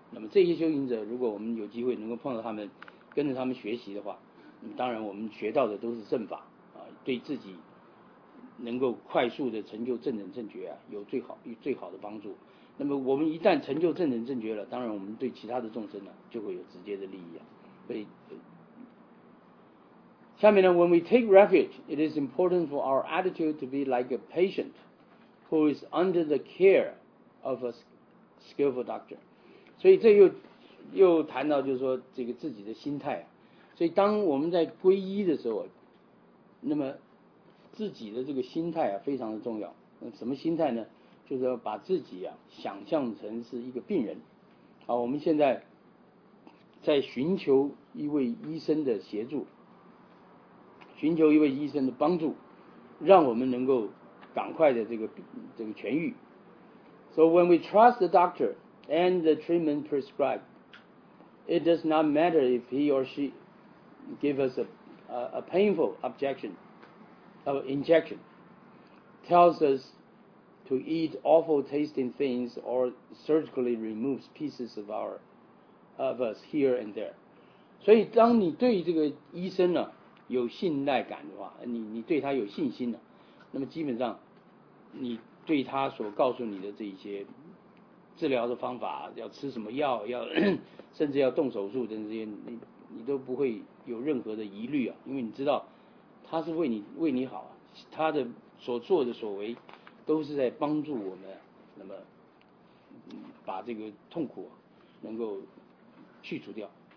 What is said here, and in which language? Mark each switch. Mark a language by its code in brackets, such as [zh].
[zh] 那么这些修行者，如果我们有机会能够碰到他们，跟着他们学习的话，当然我们学到的都是正法啊，对自己能够快速的成就正等正觉啊，有最好的帮助。那么我们一旦成就正等正觉了，当然我们对其他的众生呢就会有直接的利益啊。所以下面呢 [en] when we take refuge, it is important for our attitude to be like a patient who is under the care of a skillful doctor. [zh] 所以这又谈到就是说这个自己的心态、啊、所以当我们在皈依的时候，那么自己的这个心态啊非常的重要。那什么心态呢？就是要把自己啊想象成是一个病人。好，我们现在在寻求一位医生的协助，寻求一位医生的帮助，让我们能够赶快的这个痊愈。 [en] So when we trust the doctor and the treatment prescribed, it does not matter if he or she give us a painful objection, or injection, tells us to eat awful tasting things or surgically removes pieces of us here and there. [zh] 所以当你对这个医生呢有信赖感的话，你对他有信心了，那么基本上你对他所告诉你的这一些治疗的方法，要吃什么药，要甚至要动手术等这些，你都不会有任何的疑虑啊，因为你知道他是为你好，他的所做的所为都是在帮助我们，那么把这个痛苦、啊、能够去除掉。